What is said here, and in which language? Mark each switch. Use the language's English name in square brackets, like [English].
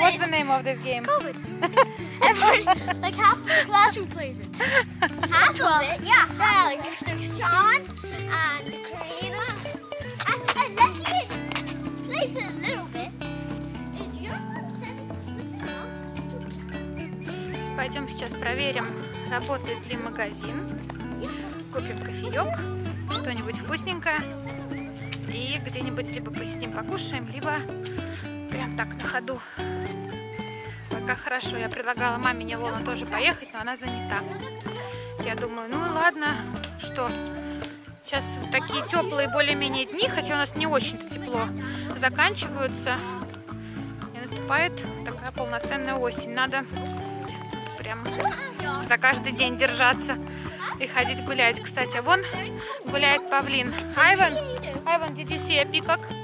[English] What's the name of this game? COVID. Every like half the classroom plays it. Half of it? Yeah. Half well, like if there's Sean and Karina. And let's see it plays it a little bit. Is your sentence? [Russian] Пойдем сейчас проверим, работает ли магазин. Купим кофеек, что-нибудь вкусненькое. И где-нибудь либо посидим, покушаем, либо прям так на ходу. Пока хорошо. Я предлагала маме Нелона тоже поехать, но она занята. Я думаю, ну ладно, что. Сейчас вот такие теплые более-менее дни, хотя у нас не очень-то тепло, заканчиваются. И наступает такая полноценная осень. Надо прям за каждый день держаться. И ходить гулять. Кстати, вон гуляет павлин. [English] Айван, Айван, did you see a peacock?